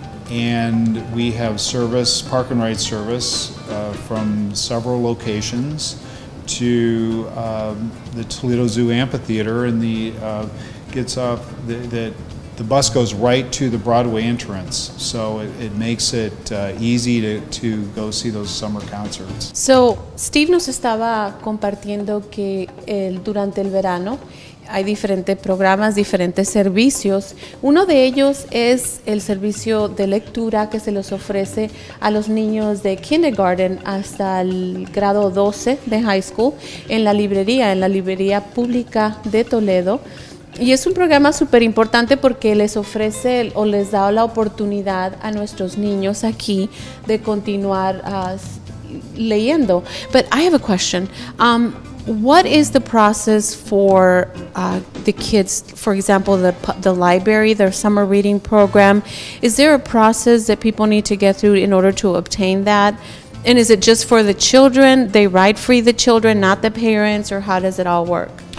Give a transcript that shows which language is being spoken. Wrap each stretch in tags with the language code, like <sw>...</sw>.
<en>And we have service, park and ride service, from several locations to the Toledo Zoo Amphitheater, and the gets off the bus goes right to the Broadway entrance, so it makes it easy to go see those summer concerts.</en> <es>So Steve nos estaba compartiendo que durante el verano hay diferentes programas, diferentes servicios. Uno de ellos es el servicio de lectura que se les ofrece a los niños de kindergarten hasta el grado 12 de high school en la librería pública de Toledo. Y es un programa súper importante porque les ofrece o les da la oportunidad a nuestros niños aquí de continuar leyendo.</es> <en>But I have a question. What is the process for the kids, for example, the library, their summer reading program? Is there a process that people need to get through in order to obtain that? And is it just for the children? They ride free the children, not the parents, or how does it all work?</en>